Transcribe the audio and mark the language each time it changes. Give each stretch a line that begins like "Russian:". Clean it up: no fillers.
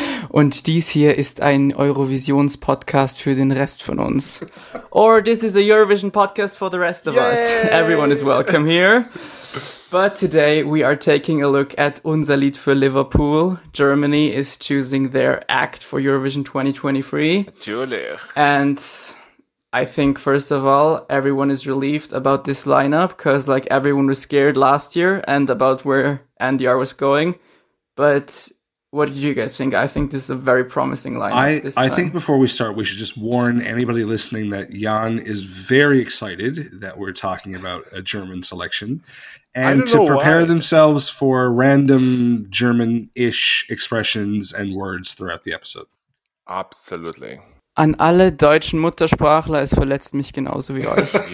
German: Und dies hier ist ein Eurovisions-Podcast für den Rest von uns.
English: Or this is a Eurovision podcast for the rest of us. Everyone is welcome here. But today we are taking a look at Unser Lied für Liverpool. Germany is choosing their act for Eurovision 2023.
German: Natürlich.
English: And I think, first of all, everyone is relieved about this lineup because, like, everyone was scared last year and about where NDR was going. But what did you guys think? I think this is a very promising lineup this time. I think before we start, we should just warn anybody listening that Jan is very excited that we're talking about a German selection. And to prepare themselves for random German-ish expressions and words throughout the episode. Absolutely.
German: An alle deutschen Muttersprachler, es verletzt mich genauso wie euch.